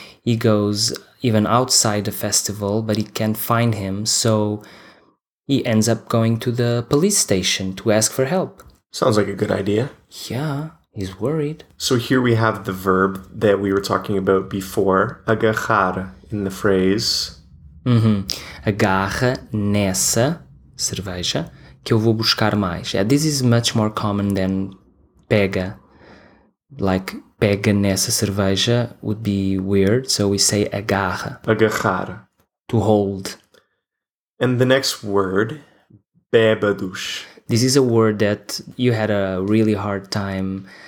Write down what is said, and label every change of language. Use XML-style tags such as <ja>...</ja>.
<en>He goes even outside the festival, but he can't find him, so he ends up going to the police station to ask for help. Sounds like a good idea. Yeah, he's worried. So here we have the verb that we were talking about before, agarrar, in the phrase. Mm-hmm.</en> <pt>Agarra nessa cerveja que eu vou buscar mais.</pt> <en>Yeah, this is much more common than pega. Like,</en> <pt>pega nessa cerveja</pt> <en>would be weird. So we say agarra.</en> <pt>Agarrar.</pt> <en>To hold. And the next word, bêbados. This is a word that you had a really hard time.</en>